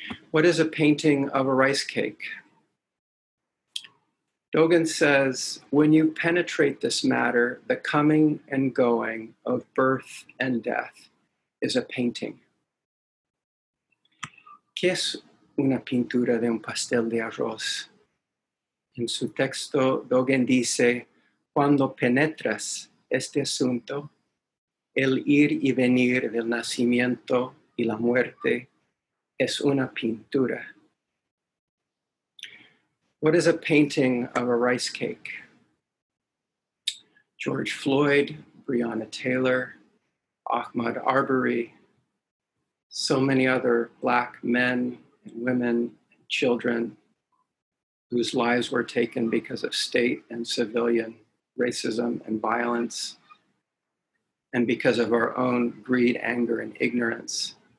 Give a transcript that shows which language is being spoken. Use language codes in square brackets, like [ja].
[en] What is a painting of a rice cake? Dogen says, when you penetrate this matter, the coming and going of birth and death is a painting. [es] ¿Qué es una pintura de un pastel de arroz? En su texto, Dogen dice, cuando penetras este asunto, el ir y venir del nacimiento y la muerte es una pintura. [en] What is a painting of a rice cake? George Floyd, Breonna Taylor, Ahmaud Arbery, so many other Black men and women and children whose lives were taken because of state and civilian racism and violence, and because of our own greed, anger, and ignorance.